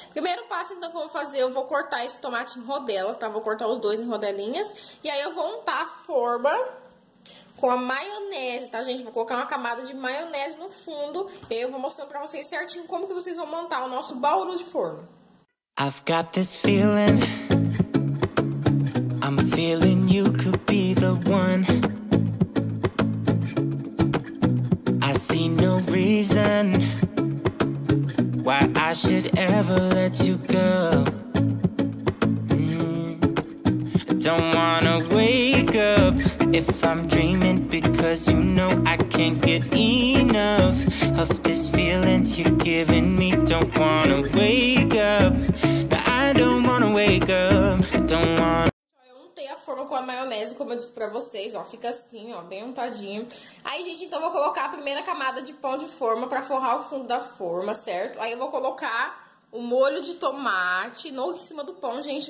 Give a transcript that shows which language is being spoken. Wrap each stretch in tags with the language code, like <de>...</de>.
<pt>Primeiro passo, então, que eu vou fazer, eu vou cortar esse tomate em rodela, tá? Vou cortar os dois em rodelinhas e aí eu vou untar a forma com a maionese, tá, gente? Vou colocar uma camada de maionese no fundo e aí eu vou mostrando pra vocês certinho como que vocês vão montar o nosso bauru de forno.</pt> <en>I've got this feeling, I'm feeling you could be the one. I see no reason why I should ever let you go. Don't wanna wake up if I'm dreaming, because you know I can't get enough of this feeling you're giving me. Don't wanna wake up.</en> <pt>Eu untei a forma com a maionese, como eu disse pra vocês, ó, fica assim, ó, bem untadinho. Aí, gente, então vou colocar a primeira camada de pão de forma pra forrar o fundo da forma, certo? Aí eu vou colocar o molho de tomate no, em cima do pão, gente.</pt>